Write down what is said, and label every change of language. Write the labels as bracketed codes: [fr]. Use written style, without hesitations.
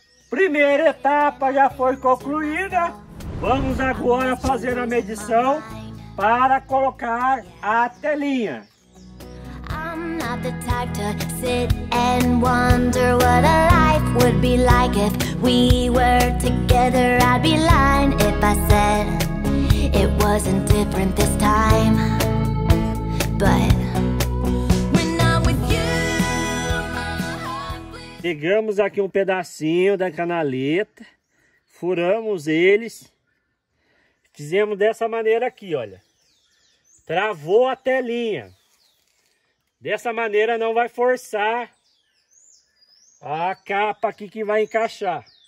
[pt] Primeira etapa já foi concluída. Vamos agora fazer a medição para colocar a telinha. [en] I'm not the type to sit and wonder what a life would be like if we were together. I'd be lying if I said it wasn't different this time. But when I'm with you, my heart. [pt] Pegamos aqui um pedacinho da canaleta, furamos eles. Fizemos dessa maneira aqui, olha. Travou a telinha. Dessa maneira não vai forçar a capa aqui que vai encaixar.